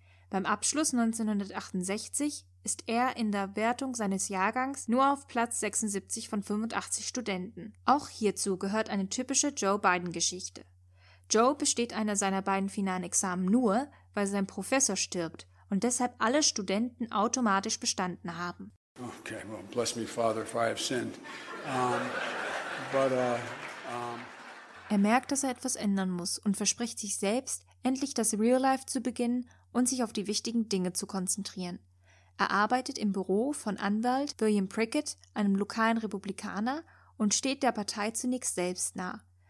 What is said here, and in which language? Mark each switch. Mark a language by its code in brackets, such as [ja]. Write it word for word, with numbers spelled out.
[de] Beim Abschluss neunzehnhundertachtundsechzig ist er in der Wertung seines Jahrgangs nur auf Platz sechsundsiebzig von fünfundachtzig Studenten. Auch hierzu gehört eine typische Joe-Biden-Geschichte. Joe besteht einer seiner beiden finalen Examen nur, weil sein Professor stirbt und deshalb alle Studenten automatisch bestanden haben. [en] Okay, well, bless me, Father, if I have sinned. Um, but, uh, um [de] Er merkt, dass er etwas ändern muss und verspricht sich selbst, endlich das Real Life zu beginnen und sich auf die wichtigen Dinge zu konzentrieren. Er arbeitet im Büro von Anwalt William Prickett, einem lokalen Republikaner, und steht der Partei zunächst selbst nah.